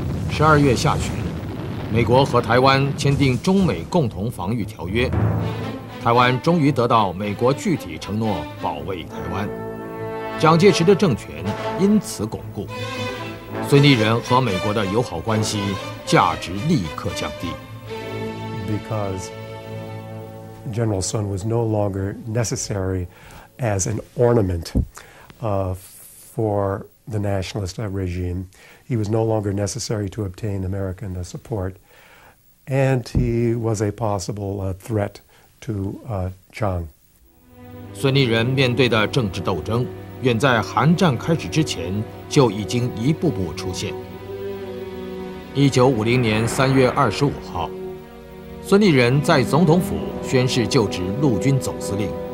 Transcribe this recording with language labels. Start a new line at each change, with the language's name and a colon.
Chinese: 12月下旬，美国和台湾签订中美共同防御条约，台湾终于得到美国具体承诺保卫台湾，蒋介石的政权因此巩固，孙立人和美国的友好关系价值立刻降低。
English: Because General Sun was no longer necessary as an ornament for the nationalist regime. He was no longer necessary to obtain American support. And he was a possible threat to Chiang.
Chinese: 孙立人面对的政治斗争远在韩战开始之前就已经一步步出现。 1950年3月25号，孙立人在总统府宣誓就职陆军总司令。